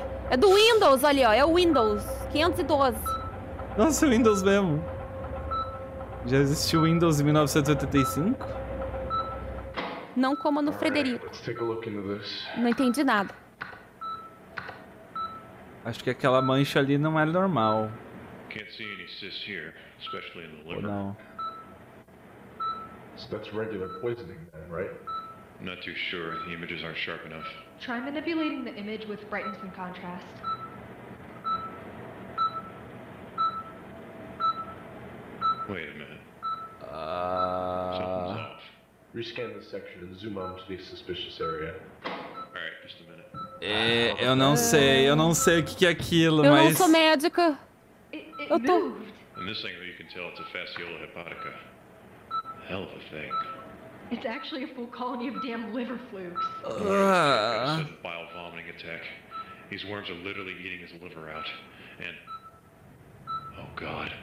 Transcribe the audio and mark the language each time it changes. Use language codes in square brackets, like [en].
[pt] É do Windows ali, ó. É o Windows 512. Nossa, o Windows mesmo. Já existiu o Windows em 1985? Não coma no Frederico. Não entendi nada. Acho que aquela mancha ali não é normal. [en] Can't see any cysts here, especially in the liver. [pt] Oh, não. [en] So that's regular poisoning then, right? Not too sure. The images aren't sharp enough. Try manipulating the image with brightness and contrast. Wait a minute. Rescan the section and zoom out to the suspicious area. Alright, just a minute. [pt] Eu não sei, eu não sei o que é aquilo, eu mas... Eu não sou médico. Eu tô... [en] In this angle you can tell it's a fasciola hepatica. Hell of a thing. It's actually a full colony of damn liver flukes. Bile vomiting attack. These worms are literally eating his liver out. And... Oh god.